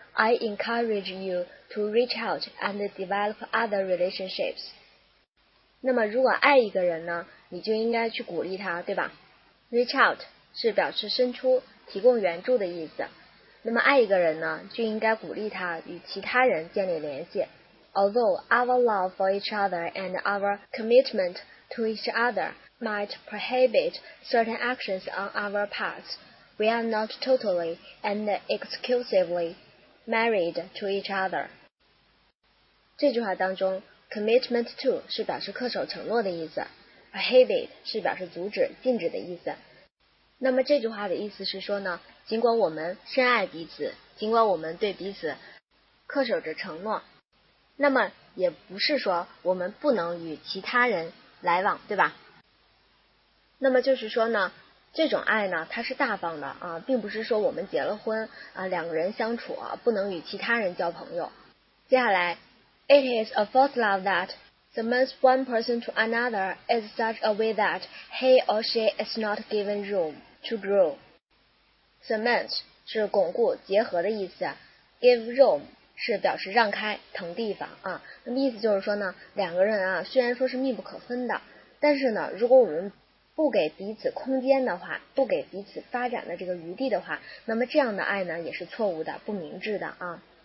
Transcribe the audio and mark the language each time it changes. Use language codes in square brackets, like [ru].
[en] I encourage you to reach out and develop other relationships. [zh] 那么如果爱一个人呢，你就应该去鼓励他，对吧？ [en] Reach out [zh] 是表示伸出，提供援助的意思。那么爱一个人呢，就应该鼓励他与其他人建立联系。 [en] Although our love for each other and our commitment to each other might prohibit certain actions on our part, we are not totally and exclusively married to each other. [zh] 这句话当中 [en] commitment to [zh] 是表示恪守承诺的意思， prohibit 是表示阻止禁止的意思。那么这句话的意思是说呢，尽管我们深爱彼此，尽管我们对彼此恪守着承诺，那么也不是说我们不能与其他人来往，对吧？那么就是说呢，这种爱呢，它是大方的啊，并不是说我们结了婚啊，两个人相处啊，不能与其他人交朋友。接下来 [en] ，It is a false love that cements one person to another in such a way that he or she is not given room to grow. [zh] Cement 是巩固、结合的意思 ， [en] give room。 [zh] 是表示让开腾地方啊，那么意思就是说呢，两个人啊虽然说是密不可分的，但是呢如果我们不给彼此空间的话，不给彼此发展的这个余地的话，那么这样的爱呢也是错误的，不明智的啊。